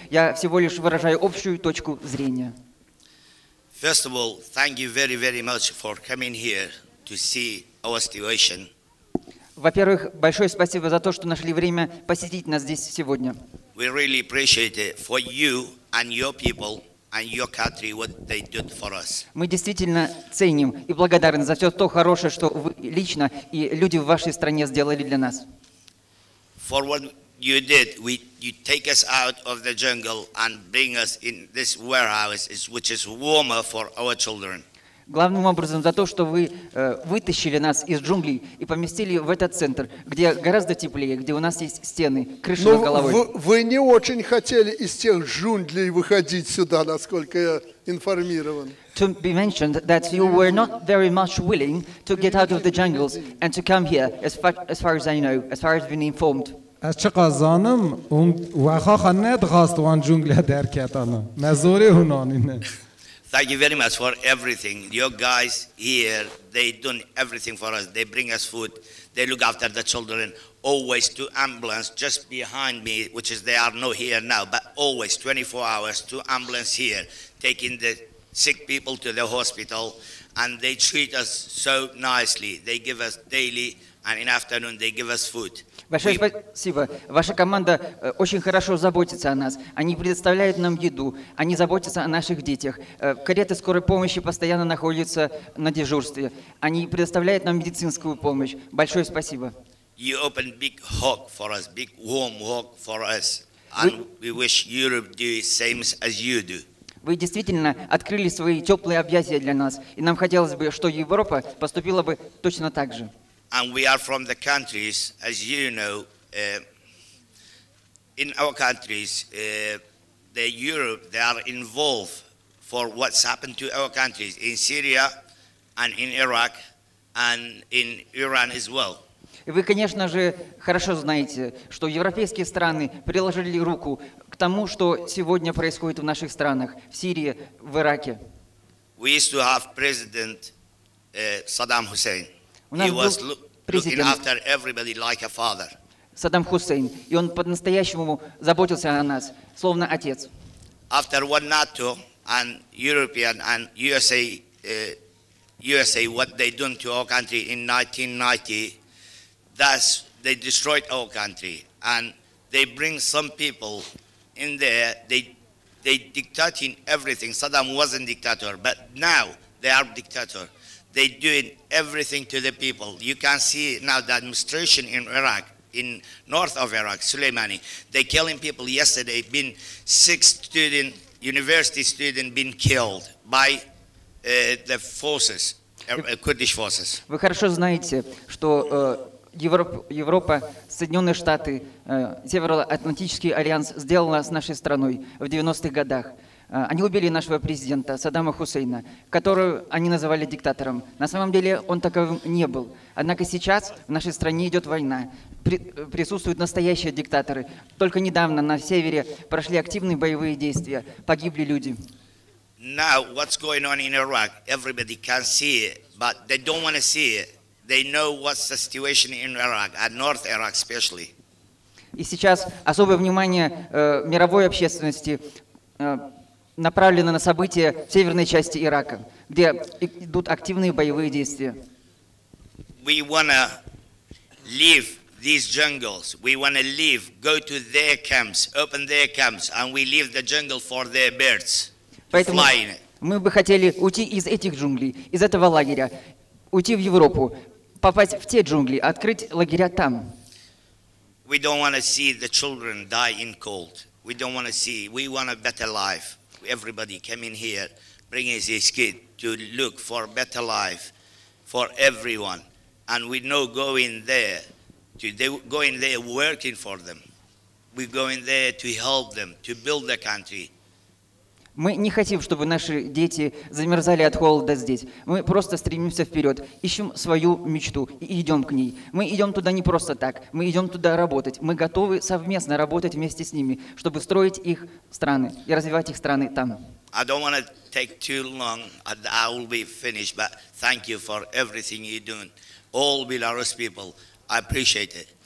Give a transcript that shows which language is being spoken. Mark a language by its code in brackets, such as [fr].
[ru] Я всего лишь выражаю общую точку зрения. [en] First of all, thank you very, very much for coming here to see our situation. [ru] Во-первых, большое спасибо за то, что нашли время посетить нас здесь сегодня. [en] We really appreciate it for you and your people and your country what they did for us. [ru] Мы действительно ценим и благодарны за все то хорошее, что вы лично и люди в вашей стране сделали для нас. [en] For what you did, you take us out of the jungle and bring us in this warehouse, which is warmer for our children. [ru] Главным образом за то, что вы вытащили нас из джунглей и поместили в этот центр, где гораздо теплее, где у нас есть стены, крыша над головой. Вы не очень хотели из тех джунглей выходить сюда, насколько я информирован. [en] To be mentioned that you were not very much willing to get out of the jungles and to come here, as far as I know, as far as I've been informed. از چه قزانم و خواه ند خواست وان جنگل درکتانم. مزوری هنان اینه. Thank you very much for everything. Your guys here, they done everything for us. They bring us food. They look after the children. Always two ambulances just behind me, which is they are not here now, but always 24 hours, two ambulances here, taking the sick people to the hospital. And they treat us so nicely. They give us daily, and in afternoon, they give us food. [ru] Большое спасибо. Ваша команда очень хорошо заботится о нас. Они предоставляют нам еду. Они заботятся о наших детях. Кареты скорой помощи постоянно находятся на дежурстве. Они предоставляют нам медицинскую помощь. Большое спасибо. [en] You opened big hug for us, big warm hug for us. And we wish Europe do the same as you do. [ru] Вы действительно открыли свои теплые объятия для нас. И нам хотелось бы, что Европа поступила бы точно так же. [en] And we are from the countries, as you know, in our countries, the Europe, they are involved for what's happened to our countries in Syria and in Iraq and in Iran as well. [ru] Вы, конечно же, хорошо знаете, что европейские страны приложили руку к тому, что сегодня происходит в наших странах, в Сирии, в Ираке. [en] We used to have President Saddam Hussein. He was looking after everybody like a father. [ru] Саддам Хусейн, и он по-настоящему заботился о нас, словно отец. [en] After what NATO and European and USA, USA, what they done to our country in 1990, that's they destroyed our country and they bring some people in there. They dictating everything. Saddam wasn't dictator, but now they are dictator. They doing everything to the people. You can see now the administration in Iraq, in north of Iraq, Soleimani. They killing people yesterday. Been six student, university student, been killed by the forces, Kurdish forces. [ru] Вы хорошо знаете, что Европа, Соединенные Штаты, Североатлантический альянс сделала с нашей страной в 90-х годах. Они убили нашего президента Саддама Хусейна, которого они называли диктатором. На самом деле он таковым не был. Однако сейчас в нашей стране идет война. Присутствуют настоящие диктаторы. Только недавно на севере прошли активные боевые действия. Погибли люди. [en] Now what's going on in Iraq? Everybody can see it, but they don't want to see it. They know what's the situation in Iraq, and North Iraq especially. [ru] И сейчас особое внимание мировой общественности направлено на события в северной части Ирака, где идут активные боевые действия. [en] We wanna leave these jungles. We want to leave, go to their camps, open their camps, and we leave the jungle for their birds to fly in it. [ru] Мы бы хотели уйти из этих джунглей, из этого лагеря, уйти в Европу, попасть в те джунгли, открыть лагеря там. [en] We don't want to see the children die in cold. We don't want to see. We want a better life. Everybody came in here, bringing his kid to look for a better life for everyone. And we know going there, to going there working for them. We going there to help them to build the country. [ru] Мы не хотим, чтобы наши дети замерзали от холода здесь. Мы просто стремимся вперед, ищем свою мечту и идем к ней. Мы идем туда не просто так, мы идем туда работать. Мы готовы совместно работать вместе с ними, чтобы строить их страны и развивать их страны там. [en] I don't want to take too long, I will be finished, but thank you for everything you're doing. All Belarus people, I appreciate it.